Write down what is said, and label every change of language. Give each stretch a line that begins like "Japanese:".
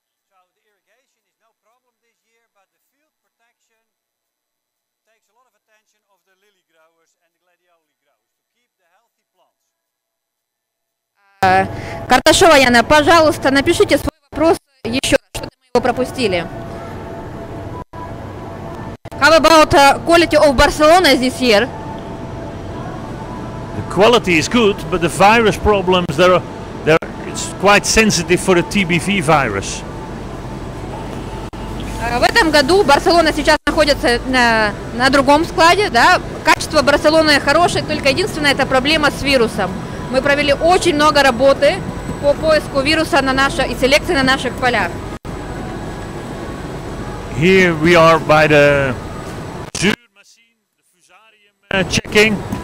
English: So the irrigation is no problem this year, but the field protection takes a lot of attention of the lily growers and the gladioli growers to keep the healthy plants.
Russian: Карташова Яна, пожалуйста, напишите свой вопрос еще, что-то мы его пропустили.
English: How about quality of Barcelona this year? The quality is good, but the virus problems it's quite sensitive for the TBV virus.
Russian: В этом году Барселона сейчас находится на другом складе, да? Качество Барселоны хорошее, только единственное это проблема с вирусом. Мы провели очень много работы по поиску вируса и селекции на наших полях.
English: Here we are by the Zuur machine, the fusarium checking.